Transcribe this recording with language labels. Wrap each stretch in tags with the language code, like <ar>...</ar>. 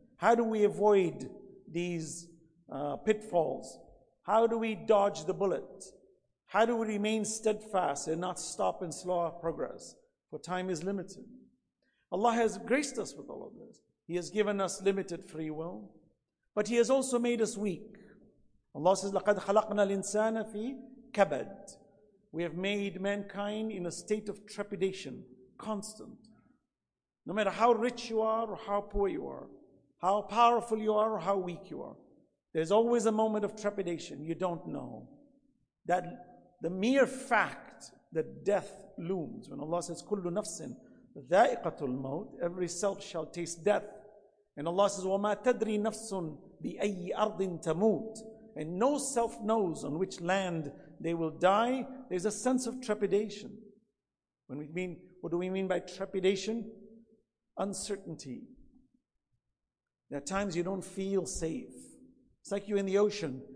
<en>How do we avoid these pitfalls? How do we dodge the bullet? How do we remain steadfast and not stop and slow our progress? For time is limited. Allah has graced us with all of this. He has given us limited free will, but He has also made us weak. Allah says,</en> <ar>لَقَدْ خَلَقْنَا الْإِنسَانَ فِي كَبَدٍ.</ar> <en>We have made mankind in a state of trepidation, constant. No matter how rich you are or how poor you are, how powerful you are or how weak you are, there's always a moment of trepidation. You don't know. That the mere fact that death looms, when Allah says,</en> <ar>كُلُّ نَفْسٍ ذَائِقَةُ الْمَوْتِ,</ar> <en>every self shall taste death. And Allah says,</en> <ar>وَمَا تَدْرِي نَفْسٌ بِأَيِّ أَرْضٍ تَمُوتٍ.</ar> <en>And no self knows on which land they will die. There's a sense of trepidation. When we mean, what do we mean by trepidation? Uncertainty. There are times you don't feel safe. It's like you're in the ocean.</en>